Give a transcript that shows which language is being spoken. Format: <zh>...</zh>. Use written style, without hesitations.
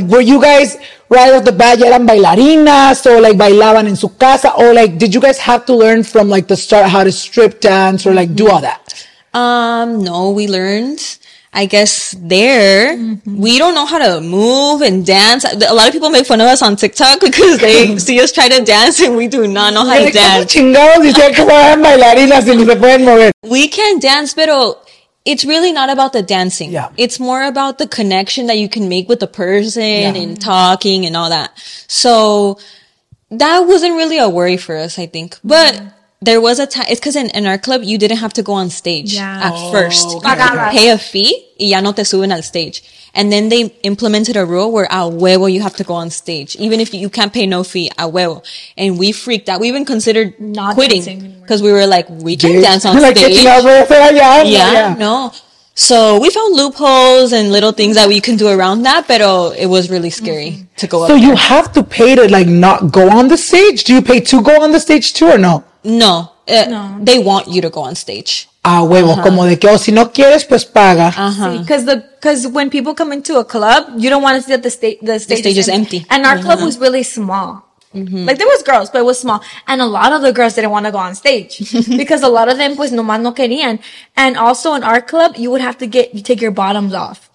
<en>Were you guys right off the bat, ya eran bailarinas, o bailaban en su casa, o did you guys have to learn from the start how to strip dance or do all that? No, we learned. I guess there, we don't know how to move and dance. A lot of people make fun of us on TikTok because they see us try to dance and we do not know how to dance.</en> <es>¿Cómo chingados dicen que eran bailarinas y no se pueden mover?</es> <en>We can dance, pero it's really not about the dancing. Yeah. It's more about the connection that you can make with the person and talking and all that. So that wasn't really a worry for us, I think. But there was a time, it's because in our club, you didn't have to go on stage at first. Oh. You pay a fee, y ya no te suben al stage. And then they implemented a rule where a huevo you have to go on stage. Even if you can't pay no fee, a huevo. And we freaked out. We even considered not quitting because we were we can dance on stage. No. So we found loopholes and little things that we can do around that, but it was really scary to go up. So you have to pay to not go on the stage? Do you pay to go on the stage too or no? No. They want you to go on stage.</en> <es>Ah, huevo, como de que, si no quieres, pues paga.</es> <en>Because when people come into a club, you don't want to see that the stage is empty. And our club was really small. Mm-hmm. There was girls, but it was small. And a lot of the girls didn't want to go on stage. Because a lot of them, pues, nomás no querían. And also in our club, you would have to take your bottoms off.</en>